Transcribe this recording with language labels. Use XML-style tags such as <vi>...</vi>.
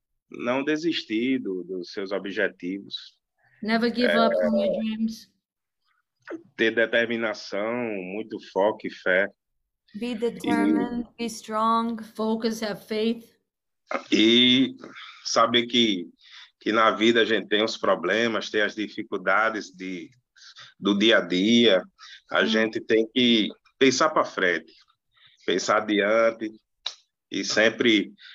<pt>Não desistir dos seus objetivos,</pt> <en>Never give up on your dreams.</en> <pt>ter determinação, muito foco e fé,</pt> <en>Be determined, be strong, focus, have faith.</en> <pt>e saber que na vida a gente tem os problemas, tem as dificuldades do dia a dia, a gente tem que pensar para frente, pensar adiante e sempre.</pt>